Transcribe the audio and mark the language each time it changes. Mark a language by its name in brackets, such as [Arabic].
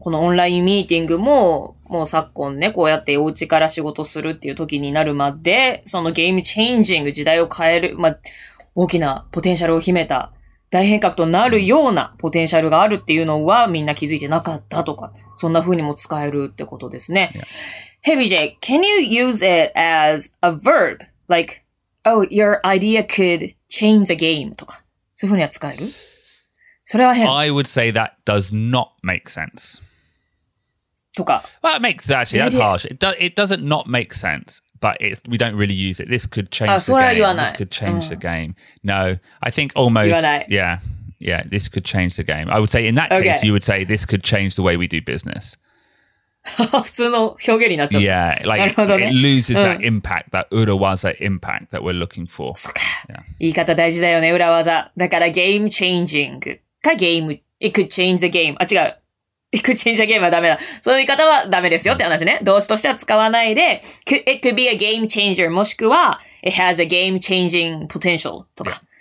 [Japanese] このオンラインミーティングも、もう昨今ね、こうやってお家から仕事するっていう時になるまで、そのゲームチェンジング、時代を変える、まあ、大きなポテンシャルを秘めた、大変革となるようなポテンシャルがあるっていうのは、みんな気づいてなかったとか、そんな風にも使えるってことですね。 [English] Yeah. Hey BJ, can you use it as a verb? Like, oh, your idea could change the game [Japanese] とか。そういうふうには使える？それは変。 [English] I would say that does not make sense. [Japanese] とか。 [English] Well, it makes actually, that's harsh. It doesn't not make sense, but it's, we don't really use it. This could change the game. [Japanese] それは言わない。 [English] This could change the game. No, I think almost, yeah, yeah, this could change the game. I would say in that case, you would say this could change the way we do business. [Japanese] 普通の表現になっちゃった。 [English] Yeah, like it loses that impact, that urawaza impact that we're looking for. [Japanese] そうか。 [English] Yeah. [Japanese] 言い方大事だよね、裏技。だから、ゲームチェンジングかゲーム、 [English] it could change the game。 [Japanese] あ、違う。 [English] it could change the game [Japanese] はダメだ。そういう言い方はダメですよって話ね。動詞としては使わないで、 [English] it could be a game changer、 [Japanese] もしくは、 [English] it has a game changing potential [Japanese] とか。